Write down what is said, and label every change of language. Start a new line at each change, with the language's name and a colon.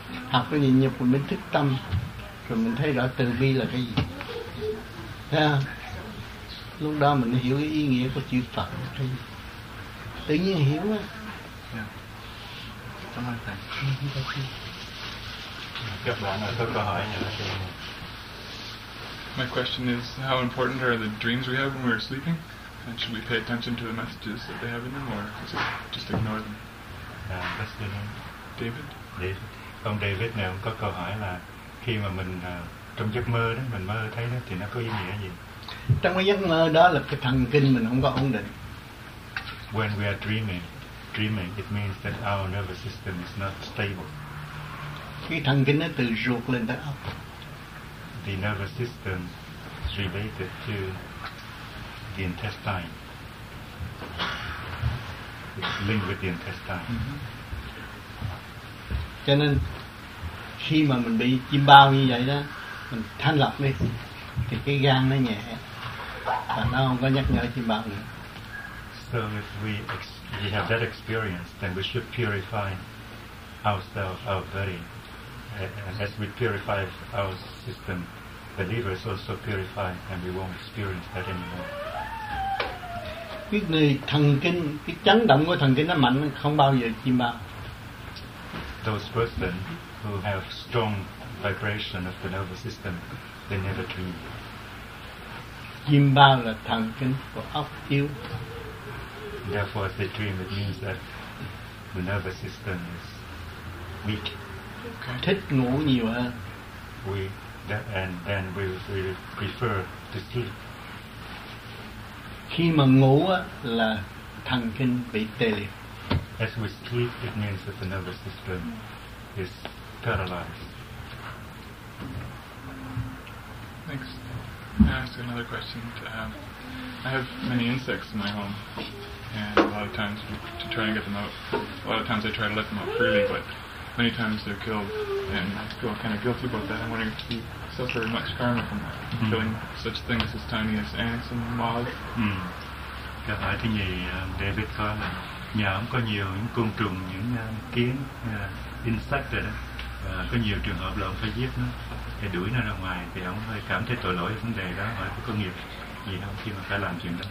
Vietnamese: Học cái nhịn nhục mình mới thức tâm, rồi mình thấy rõ từ bi là cái gì. Thấy không? Lúc đó mình hiểu cái ý nghĩa của chữ Phật. Tự nhiên hiểu á. Cảm ơn thầy. Các bạn có câu hỏi nhờ thầy.
English: My question is, how important are the dreams we have when we're sleeping? And should we pay attention to the messages that they have in them, or is it just ignore them? What's the name? David. David.
Vietnamese: Ông David này, ông có câu hỏi là khi mà mình trong giấc mơ đó, mình mơ thấy nó thì nó có ý nghĩa gì? Trong cái giấc mơ đó là cái thần kinh mình không có ổn định.
English: When we are dreaming, it means that our nervous system is not stable.
Vietnamese: Cái thần kinh nó từ ruột lên tới óc.
English: The nervous system is related to the intestine. It's linked with the intestine.
Vietnamese: Cho nên khi mà mình bị chim bao như vậy đó, mình thanh lọc đi, thì cái gan nó nhẹ và nó không có nhắc nhở chim bao nữa.
English: So if we have that experience, then we should purify ourselves, our body. And as we purify our system, the liver is also purified, and we won't experience that anymore.
Vietnamese: Cái người thần kinh, cái chấn động của thần kinh nó mạnh, không bao giờ chim bao.
English: Those persons who have strong vibration of the nervous system, they never dream.
Vietnamese: Chim bao là thần kinh của óc yếu.
English: Therefore, if they dream, it means that the nervous system is weak.
Vietnamese: Okay. Thích ngủ nhiều hơn.
English: And then we prefer to sleep.
Vietnamese: Khi mà ngủ á, là thần kinh bị tê liệt.
English: As we sleep, it means that the nervous system is paralyzed. Thanks. I ask another question. I have many insects in my home, and a lot of times to try and get them out. A lot of times I try to let them out freely, but many times they're killed, and I feel kind of guilty about that. I'm wondering if you suffer much karma from that, mm-hmm. killing such things as tiny as ants and moths. Mm-hmm.
Vietnamese: Cái hỏi thứ nhì để biết coi là nhà ông có nhiều những côn trùng, những kiến, insect rồi đó, và có nhiều trường hợp là ông phải giết nó, để đuổi nó ra ngoài, thì ông hơi cảm thấy tội lỗi vấn đề đó, hỏi có công nghiệp gì không khi mà phải làm chuyện đó?